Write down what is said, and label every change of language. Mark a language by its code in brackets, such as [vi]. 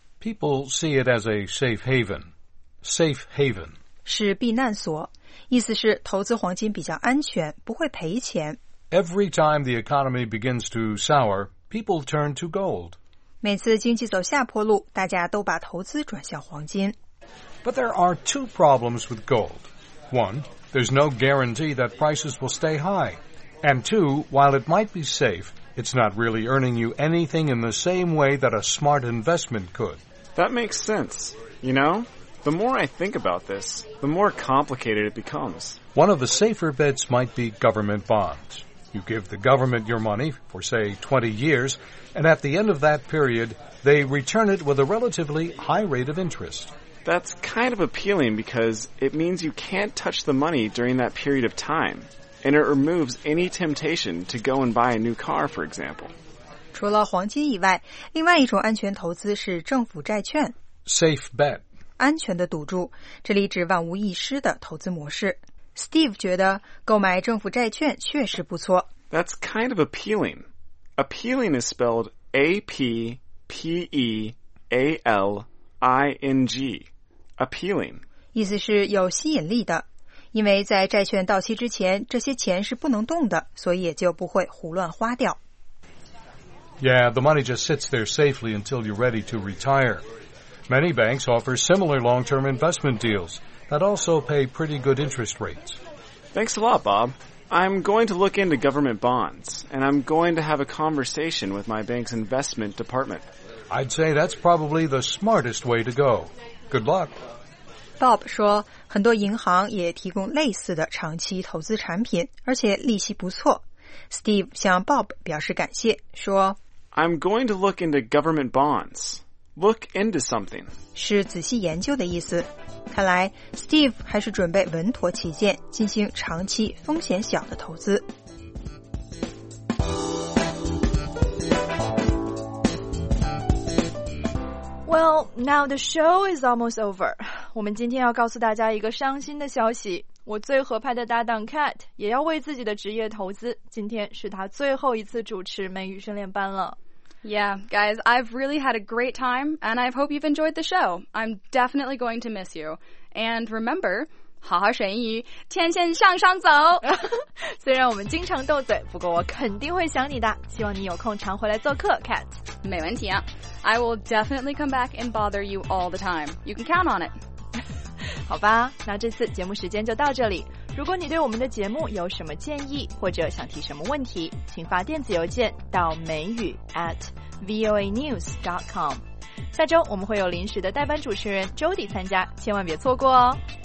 [en] People see it as a safe haven. Safe haven [zh] 是避难所。意思是投资黄金比较安全，不会赔钱。 [en] Every time the economy begins to sour, people turn to gold. [zh] 每次经济走下坡路，大家都把投资转向黄金。 [en] But there are two problems with gold. One, there's no guarantee that prices will stay high. And two, while it might be safe, it's not really earning you anything in the same way that a smart investment could. That makes sense, you know? The more I think about this, the more complicated it becomes. One of the safer bets might be government bonds. You give the government your money for, say, 20 years, and at the end of that period, they return it with a relatively high rate of interest. That's kind of appealing because it means you can't touch the money during that period of time, and it removes any temptation to go and buy a new car, for example. [zh] 除了黄金以外，另外一种安全投资是政府债券。 [en] Safe bet. [zh] 安全的赌注，这里指万无一失的投资模式。 Steve 觉得购买政府债券确实不错。 [en] That's kind of appealing. Appealing is spelled A-P-P-E-A-L-I-N-G. Appealing. [zh] 意思是有吸引力的，因为在债券到期之前，这些钱是不能动的，所以也就不会胡乱花掉。 [en] Yeah, the money just sits there safely until you're ready to retire. Many banks offer similar long-term investment deals that also pay pretty good interest rates. Thanks a lot, Bob. I'm going to look into government bonds, and I'm going to have a conversation with my bank's investment department. I'd say that's probably the smartest way to go. Good luck. [zh] Bob 说，很多银行也提供类似的长期投资产品，而且利息不错。 Steve 向 Bob 表示感谢，说 [en] I'm going to look into government bonds. Look into something. [zh] 是仔细研究的意思。看来 Steve 还是准备稳妥起见，进行长期风险小的投资。 [en] Well, now the show is almost over. [zh] 我们今天要告诉大家一个伤心的消息，我最合拍的搭档 Cat 也要为自己的职业投资，今天是他最后一次主持美语训练班了。 [en] Yeah, guys, I've really had a great time, and I hope you've enjoyed the show. I'm definitely going to miss you. And remember, [zh] 好好学英语，天线向上走。虽然我们经常斗嘴，不过我肯定会想你的。希望你有空常回来做客 ，Cat。没问题啊 [en] ，I will definitely come back and bother you all the time. You can count on it. [zh] 好吧，那这次节目时间就到这里。如果你对我们的节目有什么建议或者想提什么问题，请发电子邮件到美语 @voanews.com。下周我们会有临时的代班主持人 Jody 参加，千万别错过哦。